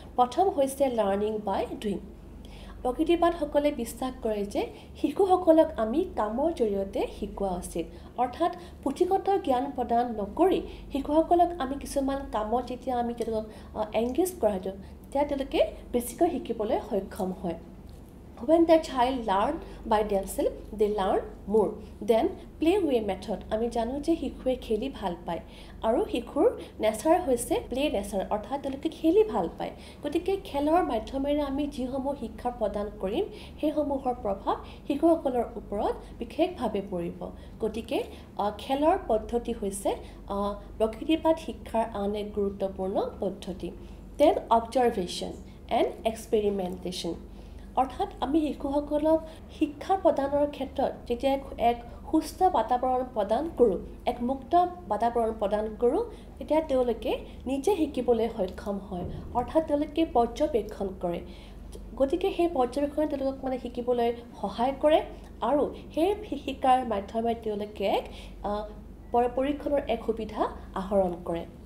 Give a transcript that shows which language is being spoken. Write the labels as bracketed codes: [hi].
[as] প্ৰথম হৈছে [en] Learning by doing. [as] প্ৰকৃতিপাতসকলে বিশ্বাস কৰে যে শিশুসকলক আমি কামৰ জৰিয়তে শিকোৱা উচিত, অৰ্থাৎ পুথিগত জ্ঞান প্ৰদান নকৰি শিশুসকলক আমি কিছুমান কামত যেতিয়া আমি তেওঁলোকক এংগেজ কৰাই দিওঁ তেতিয়া তেওঁলোকে বেছিকৈ শিকিবলৈ সক্ষম হয়। [en] When the child learn by themselves, they learn more. Then, play-way method. [as] আমি জানো যে শিশুৱে খেলি ভাল পায় আৰু শিশুৰ নেচাৰ হৈছে প্লে নেচাৰ, অৰ্থাৎ তেওঁলোকে খেলি ভাল পায়। গতিকে খেলৰ মাধ্যমেৰে আমি যিসমূহ শিক্ষা প্ৰদান কৰিম সেইসমূহৰ প্ৰভাৱ শিশুসকলৰ ওপৰত বিশেষভাৱে পৰিব। গতিকে খেলৰ পদ্ধতি হৈছে প্ৰকৃতিপাত শিক্ষাৰ আন এক গুৰুত্বপূৰ্ণ পদ্ধতি। [en] Then, observation and experimentation. [as] অৰ্থাৎ আমি শিশুসকলক শিক্ষা প্ৰদানৰ ক্ষেত্ৰত যেতিয়া এক সুস্থ বাতাবৰণ প্ৰদান কৰোঁ, এক মুক্ত বাতাবৰণ প্ৰদান কৰোঁ, তেতিয়া তেওঁলোকে নিজে শিকিবলৈ সক্ষম হয়, অৰ্থাৎ তেওঁলোকে পৰ্যবেক্ষণ কৰে। গতিকে সেই পৰ্যবেক্ষণে তেওঁলোকক মানে শিকিবলৈ সহায় কৰে আৰু সেই শিকাৰ মাধ্যমে তেওঁলোকে এক পৰীক্ষণৰ এক সুবিধা আহৰণ কৰে।